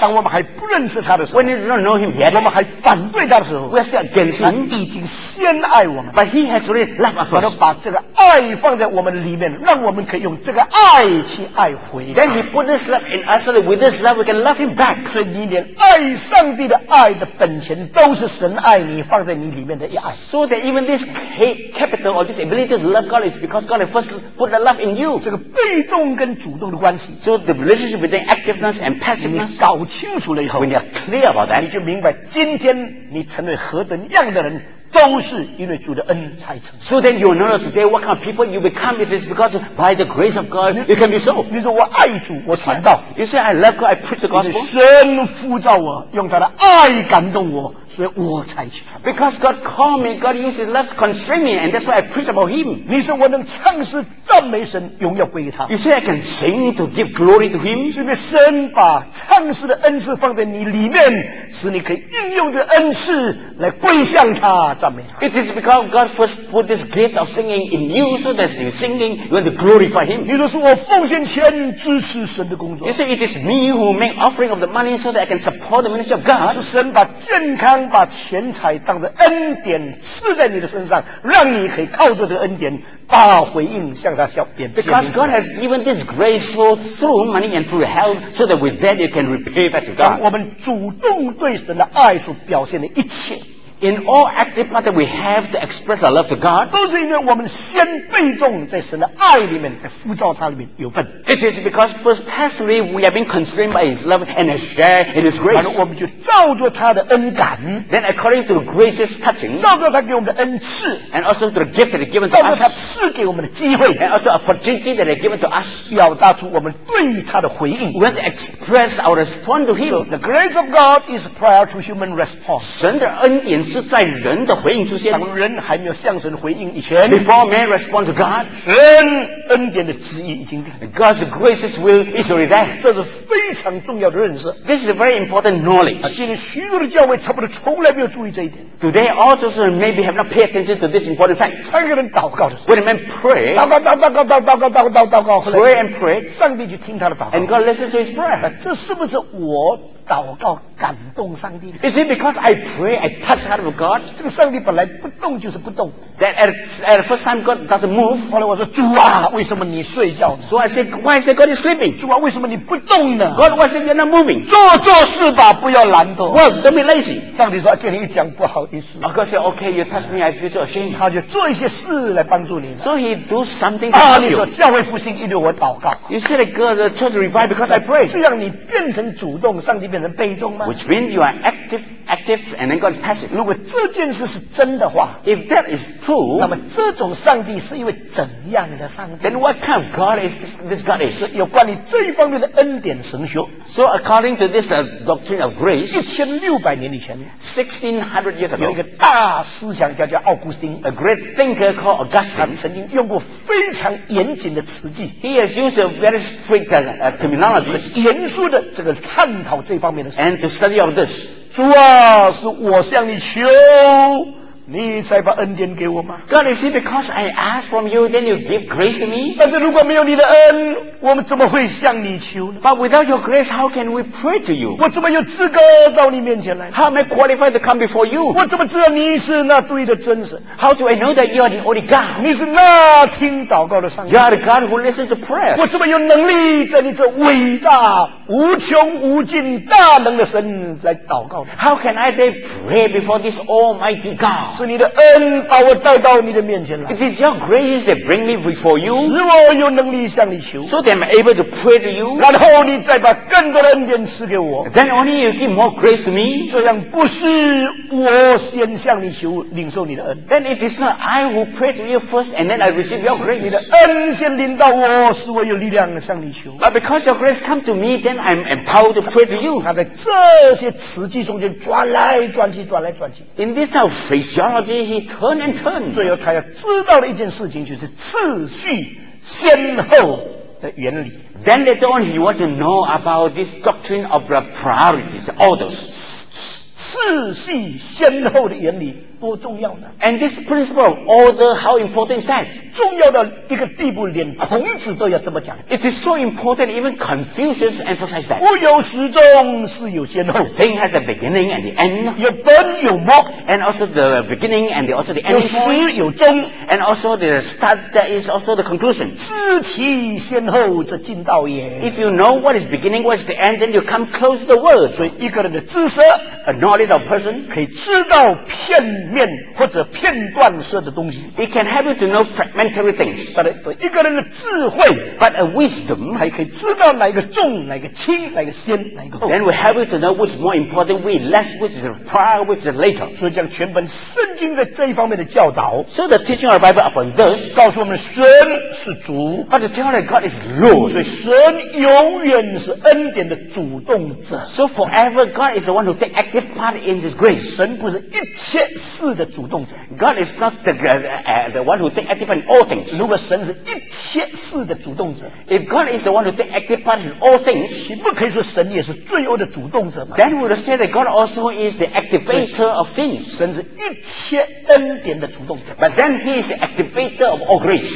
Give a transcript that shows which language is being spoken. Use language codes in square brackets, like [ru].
[zh] 当我们还不认识他的时候 [en] ，When we don't know him yet， [zh] 我们还反对他的时候 [en] ，We are still against him。 [zh] 他已经先爱我们 [en] ，But he has already loved us。 [zh] 他把这个爱放在我们里面，让我们可以用这个爱去爱回。 [en] Then he put this love in us, and with this love, we can love him back。 [zh] 所以你连爱上帝的爱的本钱，都是神爱你放在你里面的一爱。 [en] So that even this capital or this ability to love God is because God first put the love in you. [zh] 这个被动跟主动的关系。 [en] So the relationship between activeness and passiveness. [zh] 你搞清楚了以后 [en] ，when you're clear about that， [zh] 你就明白今天你成为何等样的人，都是因为主的恩才成。 [en] So then you know today what kind of people you become. It is because by the grace of God you can be so. [zh] 你说我爱主，我传道。 [en] You say I love God, I preach the gospel. [zh] 神呼召我，用他的爱感动我。所以我才去传道。 [en] Because God called me, God used His love to constrain me, and that's why I preach about Him. [zh] 你说我能唱诗赞美神，荣耀归于他。 [en] You say I can sing to give glory to Him. [zh] 是不是神把唱诗的恩赐放在你里面，使你可以应用这恩赐来归向他、赞美他 [en] ？It is because God first put this gift of singing in you, so that in singing you want to glorify Him. [zh] 你说是我奉献钱支持神的工作。 [en] You say it is me who make offering of the money so that I can support the ministry of God. [zh] 是神把健康把钱财当着恩典赐在你的身上，让你可以靠着这个恩典大回应向他笑点。 [en] Because God has given this grace for through money and through help, so that with that you can repay back to God. [zh] 我们主动对神的爱所表现的一切 [en] ，in all active part that we have to express our love to God， [zh] 都是因为我们先被动在神的爱里面，在呼召他里面有份。 [en] It is because first passively we have been constrained by His love and has shared in His grace。 [zh] 然后我们就照着他的恩感 [en] ，then according to grace's touching， [zh] 照着他给我们的恩赐 [en] ，and also to the gift that He given to us。 [zh] 赐给我们的机会 [en] ，and also opportunity that is given to us， [zh] 表达出我们对他的回应。 [en] We have to express our response to Him. So, the grace of God is prior to human response. [zh] 神的恩典是在人的回应出现。当人还没有向神回应以前 [en] ，before man responds to God， [zh] 神恩典的旨意已经定。 [en] God's grace's will is already there. [zh] 这是非常重要的认识。 [en] This is a very important knowledge. [zh] 今天许多的教会差不多从来没有注意这一点。 [en] Today all churches maybe have not paid attention to this important fact. [zh] 参与人祷告的时候。 [en] When men pray, [zh] 祷告 [en] pray and pray, [zh] 上帝就听他的祷告 [en] ，and God listens to his prayer. [zh] 这是不是我祷告感动上帝 [en] ？Is it because I pray, I touch heart of God? [zh] 这个上帝本来不动就是不动。 [en] That at first time God doesn't move. [zh] 后来我说主啊，为什么你睡觉呢 [en] ？So I said, why is God sleeping? [zh] 主啊，为什么你不动呢 [en] ？God, why is you not moving? [zh] 做事吧，不要懒惰。 [en] Well, don't be lazy. [zh] 上帝说，跟你一讲不好意思。 [en] Oh, God said, okay, you touch me, I feel so ashamed. [zh] 他就做一些事来帮助你。 [en] So he do something to help you. [zh] 你说教会复兴因为我祷告。 [en] You say that God the church revive because I pray. [zh] 这样你变成主动，上帝变成被动吗 [en] ？Which means you are active, and then God is passive. [zh] 如果这件事是真的话 [en] ，If that is true, [zh] 那么这种上帝是一位怎样的上帝 [en] ？Then what kind of God is this God is? [zh] 有关于这一方面的恩典神学。 [en] So according to this doctrine of grace, [zh] 1600年以前 [en] ，1600 years ago, [zh] 有一个大思想家叫奥古斯丁 [en] ，a great thinker called Augustine. [zh] 曾经用过非常严谨的词句 [en] ，He has used a very strict terminology, [zh] 严肃的这个探讨这方面的事 [en] ，and to study of this. [zh] 主啊，是我向你求，你才把恩典给我吗 [en] ？God, is it because I ask from you, then you give grace to me? [zh] 但是如果没有你的恩，我们怎么会向你求呢 [en] ？But without your grace, how can we pray to you? [zh] 我怎么有资格到你面前来 [en] ？How am I qualified to come before you? [zh] 我怎么知道你是那对的真神 [en] ？How do I know that you are the only God? [zh] 你是那听祷告的上帝 [en] ？You are the God who listens to prayer. [zh] 我怎么有能力在你这伟大、无穷无尽、大能的神来祷告 [en] ？How can I then pray before this Almighty God? [zh] 是你的恩把我带到你的面前来。 [en] It is your grace that bring me before you. [zh] 使我有能力向你求。 [en] So that I'm able to pray to you. [zh] 然后你再把更多的恩典赐给我。 [en] Then only you give more grace to me. [zh] 这样不是我先向你求领受你的恩。 [en] Then it is not I who pray to you first and then I receive your grace. [zh] 你的恩先临到我，使我有力量向你求。 [en] But because your grace come to me, then I'm empowered to pray to you. [zh] 他在这些词句中间转来转去，转来转去。 [en] In this kind of phrase. He turn and turn. [zh] 最后他要知道的一件事情就是次序先后的原理 [en] Then later on he wants to know about this doctrine of the priorities, orders [zh] 次序先后的原理多重要呢？ [en] And this principle of order, how important is that? [zh] 重要到一个地步，连孔子都要这么讲。 [en] It is so important, even Confucius emphasized that. [zh] 物有始终，事有先后。 [en] Thing has a beginning and the end. [zh] 有本有末。 [en] And also the beginning and the, also the end. [zh] 有始有终。 [en] And also the start, that is also the conclusion. [zh] 知其先后，则近道也。 [en] If you know what is beginning, what is the end, then you come close to the word. [zh] 所以一个人的知识， [en] a knowledge of person, [zh] 可以知道片面或者片段式的东西。 [en] It can help you to know fragmentary things. [zh] 但是一个人的智慧， [en] but a wisdom, [zh] 才可以知道哪个重、哪个轻、哪个先、哪个后。 [en] Then we help you to know which is more important, which less, which is prior, which is later. [zh] 所以将全本圣经在这一方面的教导， [en] so the teaching of the Bible upon this, [zh] 告诉我们神是主， [en] but the teaching of God is Lord. [zh] 所以神永远是恩典的主动者。 [en] So forever God is the one who takes active part in His grace. [zh] 神不是一切事的主动者。 [en] God is not the one who takes active part in all things. [zh] 如果神是一切事的主动者， [en] if God is the one who takes active part in all things, [zh] 岂不可以说神也是罪恶的主动者吗？ [en] Then we would say that God also is the activator of sins. [zh] 神是一切恩典的主动者。 [en] But then He is the activator of all grace.